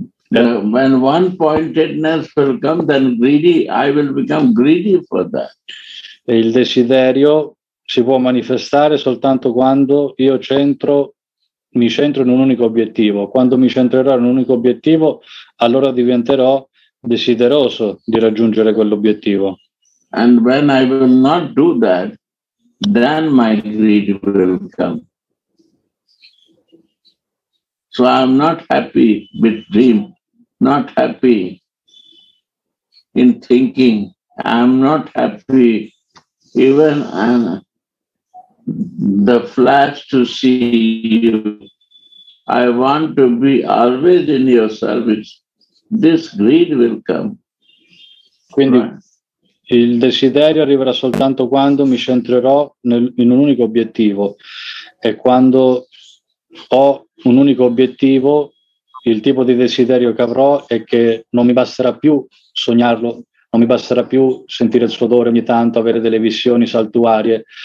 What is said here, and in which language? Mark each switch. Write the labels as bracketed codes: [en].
[en] When one pointedness will come, then greedy, I will become greedy for that. [it] E il desiderio si può manifestare soltanto quando io centro. Mi centro in un unico obiettivo. Quando mi centrerò in un unico obiettivo, allora diventerò desideroso di raggiungere quell'obiettivo. [en] And when I will not do that, then my greed will come. So I'm not happy with dream, not happy in thinking. I'm not happy even in the flash to see you. I want to be always in your service. This greed will come. [it] Quindi right. Il desiderio arriverà soltanto quando mi centrerò in un unico obiettivo. E quando ho un unico obiettivo, il tipo di desiderio che avrò è che non mi basterà più sognarlo, non mi basterà più sentire il suo odore ogni tanto, avere delle visioni saltuarie.